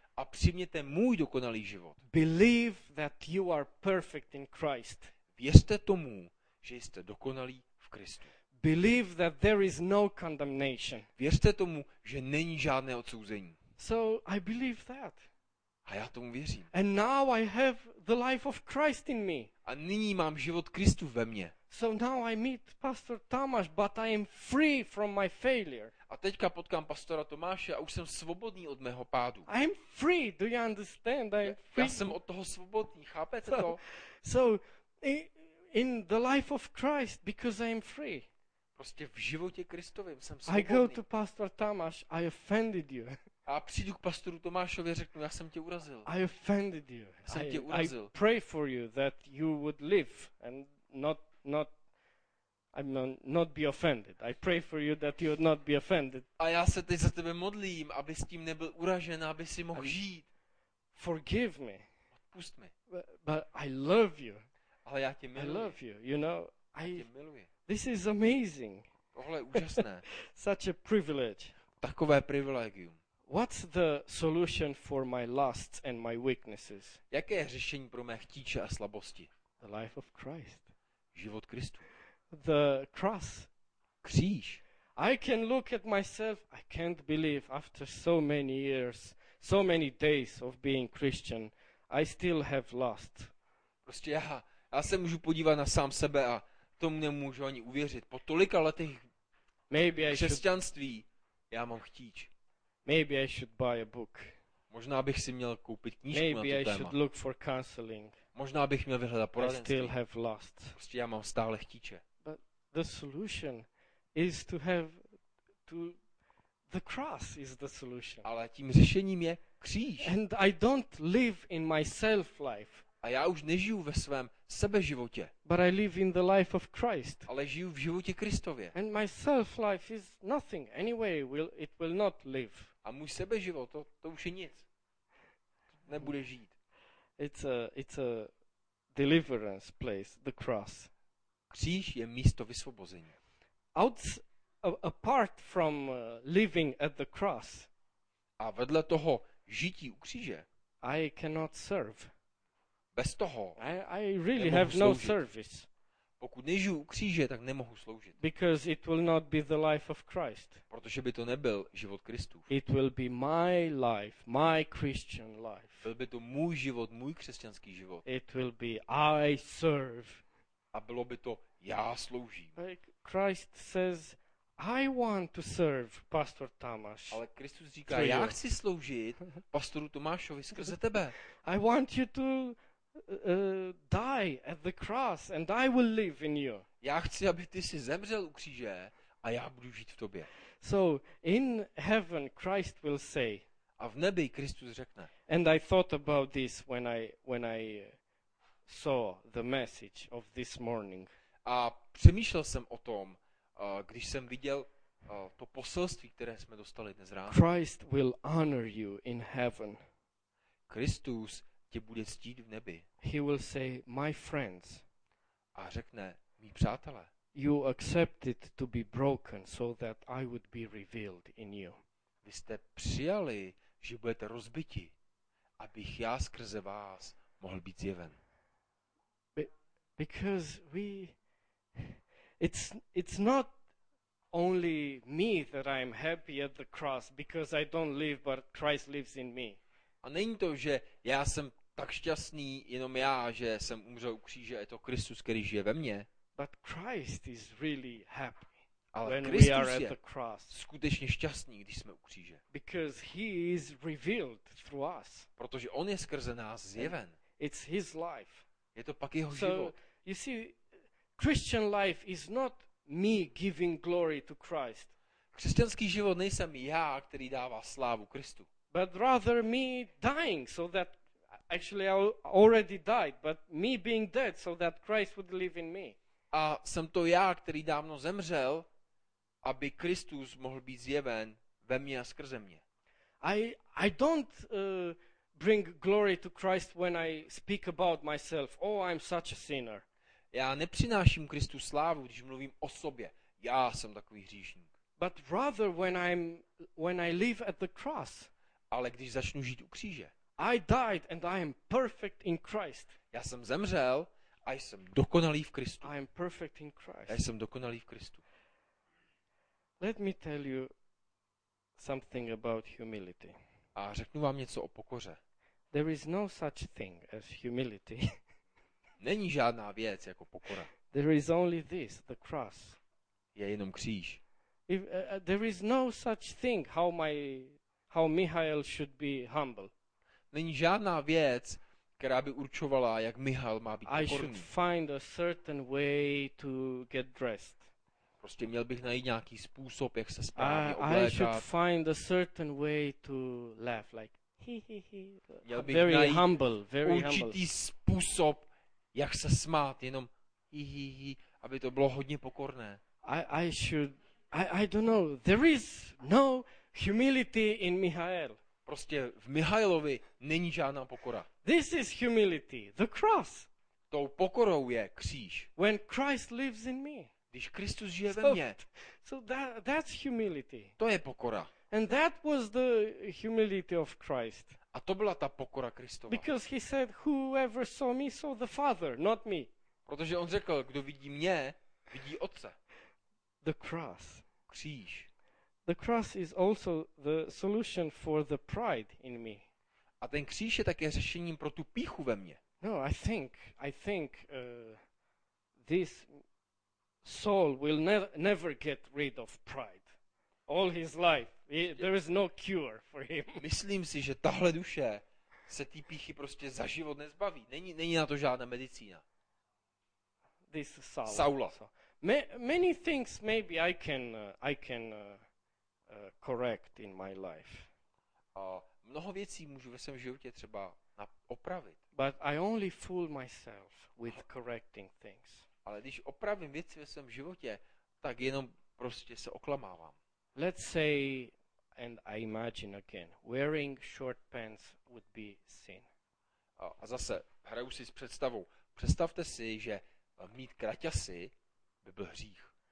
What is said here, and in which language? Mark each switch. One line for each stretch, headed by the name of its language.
Czech: A přijměte můj dokonalý život.
English: Believe that you are perfect in Christ.
Czech: Věřte tomu, že jste dokonalý v Kristu.
English: Believe that there is no condemnation.
Czech: Věřte tomu, že není žádné odsouzení.
English: So I believe that.
Czech: A já tomu věřím.
English: And now I have the life of Christ in me.
Czech: A nyní mám život Kristu ve mně.
English: So now I meet Pastor Tomáš, but I am free from my failure.
Czech: A teďka potkám pastora Tomáše a už jsem svobodný od mého pádu.
English: I am free, do you understand? I am free.
Czech: Já jsem od toho svobodný, chápete to?
English: So in the life of Christ, because I am free.
Czech: Prostě v životě Kristovém jsem svobodný.
English: I go to Pastor Tomáš, I offended you.
Czech: A přijdu k pastoru Tomášovi a řeknu, já jsem tě urazil.
English: I offended you.
Czech: Jsem tě urazil.
English: I pray for you that you would live and not be offended. I pray for you that you would not be offended.
Czech: A já se teď za tebe modlím, aby s tím nebyl uražen, aby si mohl žít.
English: Forgive me.
Czech: Odpust mi.
English: But I love you.
Czech: Ale já tě miluji.
English: I love you. You know,
Czech: já tě miluji.
English: This is amazing.
Czech: Tohle je úžasné.
English: Such a privilege.
Czech: Takové privilegium.
English: What's the solution for my lusts and my weaknesses?
Czech: Jaké je řešení pro mé chtíče a slabosti?
English: The life of Christ.
Czech: Život Kristu.
English: The cross.
Czech: Kříž.
English: I can look at myself, I can't believe after so many years, so many days of being Christian, I still have lust.
Czech: Prostě já se můžu podívat na sám sebe a tomu nemůžu ani uvěřit. Po tolika letech křesťanství já mám chtíč.
English: Maybe I should buy a book.
Czech: Možná bych si měl koupit knížku
English: Maybe
Czech: na to téma.
English: Maybe I should look for counseling.
Czech: Možná bych měl vyhledat poradenství.
English: I still have lust.
Czech: Prostě já mám stále chtíče.
English: But the solution is to have to the cross is the solution.
Czech: Ale tím řešením je kříž.
English: And I don't live in my self life.
Czech: A já už nežiju ve svém sebeživotě.
English: But I live in the life of Christ.
Czech: Ale žiju v životě Kristově.
English: And my self life is nothing anyway, it will not live.
Czech: A můj sebeživot, to už je nic. Nebude žít.
English: It's a deliverance place, the cross.
Czech: Kříž je místo vysvobození.
English: Apart from living at the cross.
Czech: A vedle toho žití u kříže.
English: I cannot serve.
Czech: Bez toho.
English: I really have no service.
Czech: Pokud nežiju u kříže, tak nemohu sloužit.
English: Because it will not be the life of Christ.
Czech: Protože by to nebyl život Kristův.
English: It will be my life, my Christian life.
Czech: Byl by to můj život, můj křesťanský život.
English: It will be I serve.
Czech: A bylo by to já sloužím.
English: Like Christ says, I want to serve Pastor Tomáš.
Czech: Ale Kristus říká, já chci sloužit pastoru Tomášovi skrze tebe.
English: I want you to die at the cross and I will live in you.
Czech: Já chci, aby ty jsi zemřel u kříže a já budu žít v tobě.
English: So in heaven Christ will say.
Czech: A v nebi Kristus řekne.
English: And I thought about this when I saw the message of this morning.
Czech: A přemýšlel jsem o tom, když jsem viděl to poselství, které jsme dostali dnes ráno.
English: Christ will honor you in heaven.
Czech: Kristus tě bude ctít v nebi.
English: He will say, my friends.
Czech: A řekne, mí přátelé.
English: You accepted to be broken so that I would be revealed in you.
Czech: Vy jste přijali, že budete rozbiti, abych já skrze vás mohl být zjeven.
English: Because we, it's not only me that I'm happy at the cross because I don't live but Christ lives in me.
Czech: A není to, že já jsem tak šťastný jenom já, že jsem umřel u kříže, je to Kristus, který žije ve mně.
English: But Christ is really happy.
Czech: Ale
English: when
Czech: Kristus
English: we are
Czech: je
English: at the cross.
Czech: Skutečně šťastný, když jsme u kříže.
English: Because he is revealed through us.
Czech: Protože on je skrze nás zjeven.
English: And it's his life.
Czech: Je to pak jeho
English: so,
Czech: život.
English: You see, Christian life is not me giving glory to Christ.
Czech: Křesťanský život nejsem já, který dává slávu Kristu.
English: But rather me dying so that actually I already died, but me being dead so that Christ would live in me.
Czech: A jsem to já, který dávno zemřel, aby Kristus mohl být zjeven ve mně a skrze mě.
English: I don't bring glory to Christ when I speak about myself. Oh, I'm such a sinner.
Czech: Já nepřináším Kristu slávu, když mluvím o sobě. Já jsem takový hříšník.
English: But rather when I live at the cross.
Czech: Ale když začnu žít u kříže.
English: I died and I am perfect in Christ.
Czech: Já jsem zemřel a jsem dokonalý v Kristu.
English: I am perfect in Christ.
Czech: Já jsem dokonalý v Kristu.
English: Let me tell you something about humility.
Czech: A řeknu vám něco o pokoře.
English: There is no such thing as humility.
Czech: Není žádná věc jako pokora.
English: There is only this, the cross.
Czech: Je jenom kříž.
English: If, there is no such thing how Michael should be humble.
Czech: Není žádná věc, která by určovala, jak Michael má být pokorný.
English: I should find a certain way to get dressed.
Czech: Prostě měl bych najít nějaký způsob, jak se správně oblékat.
English: I should find a certain way to laugh, like he he he. Very
Czech: najít
English: humble, very humble.
Czech: Určitý způsob, jak se smát, jenom hi hi hi, aby to bylo hodně pokorné.
English: I don't know. There is no humility in Michael.
Czech: Prostě v Michailovi není žádná pokora.
English: This is humility, the cross.
Czech: Tou pokorou je kříž.
English: When Christ lives in me.
Czech: Když Kristus žije
English: so,
Czech: ve mně.
English: So that's humility.
Czech: To je pokora.
English: And that was the humility of Christ.
Czech: A to byla ta pokora Kristova.
English: Because he said, whoever saw me saw the Father, not me.
Czech: Protože on řekl, kdo vidí mě, vidí Otce.
English: The cross.
Czech: Kříž.
English: The cross is also the solution for the pride in me.
Czech: A ten kříž je také řešením pro tu pýchu ve mně.
English: No, I think this Saul will never get rid of pride all his life. There is no cure for him.
Czech: Myslím si, že tahle duše se té pýchy prostě za život nezbaví. Není na to žádná medicína.
English: This Saul.
Czech: Saula. So,
English: many things maybe I can correct in my life.
Czech: A mnoho věcí můžu ve svém životě třeba opravit.
English: But I only fool myself with correcting things.
Czech: Ale když opravím věci ve svém životě, tak jenom prostě se oklamávám.
English: Let's say and I imagine again wearing short pants would be sin.
Czech: A zase hraju si s představou. Představte si, že mít kraťasy by byl hřích.